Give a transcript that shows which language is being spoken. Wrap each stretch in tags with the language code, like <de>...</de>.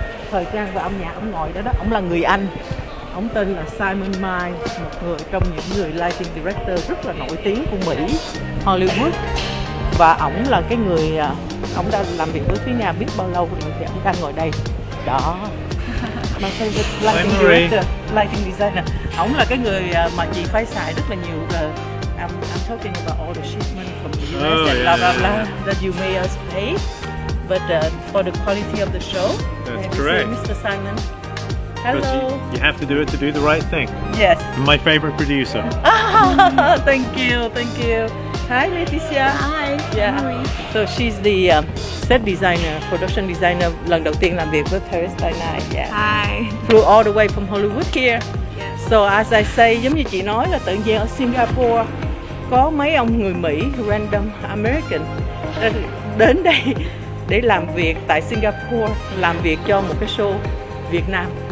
<vi>Thời trang và âm nhạc, ông ngồi đó đó. Ông là người Anh, ông tên là Simon Mai, một người trong những người lighting director rất là nổi tiếng của Mỹ, Hollywood. Và ông là cái người, ông đã làm việc với Thúy Nga biết bao lâu rồi, thì ông đang ngồi đây. Đó.</vi> <en>My favorite lighting director, lighting designer.</en> <vi>Ông là cái người mà chị phải xài rất là nhiều.</vi> <en>I'm talking about all the shipments from the US that you may have paid, but for the quality of the show. That's correct. Mr. Simon. Hello. You have to do it to do the right thing. Yes. And my favorite producer. thank you. Hi, Leticia. Hi. Yeah. So she's the set designer, production designer,</en> <vi>lần đầu tiên làm việc</vi> <en>with Paris by Night. Yeah. Hi. Flew all the way from Hollywood here. So as I say,</en> <vi>giống như chị nói là tự nhiên ở Singapore có mấy ông người Mỹ,</vi> <en>random American,</en> <vi>đến đây để làm việc tại Singapore, làm việc cho một cái show Việt Nam.</vi>